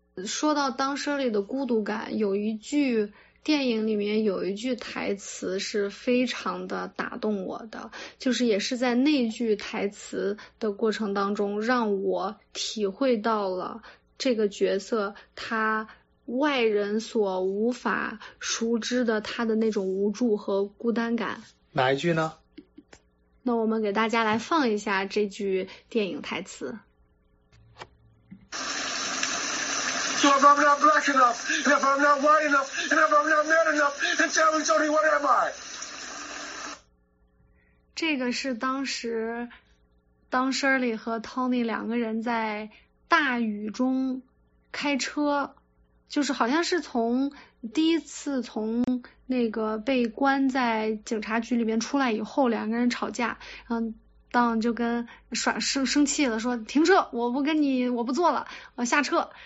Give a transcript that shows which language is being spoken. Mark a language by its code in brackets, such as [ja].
[zh] 说到当时里的孤独感，有一句电影里面有一句台词是非常的打动我的，就是也是在那句台词的过程当中，让我体会到了这个角色他外人所无法熟知的他的那种无助和孤单感。哪一句呢？那我们给大家来放一下这句电影台词。 [en] If I'm not black enough, and if I'm not white enough, and if I'm not man enough, then tell me, Jody, what am I? [zh] 这个是当时，当 Shirley 和 Tony 两个人在大雨中开车，就是好像是从第一次从那个被关在警察局里面出来以后，两个人吵架，当就跟耍生气了，说停车，我不坐了，我下车。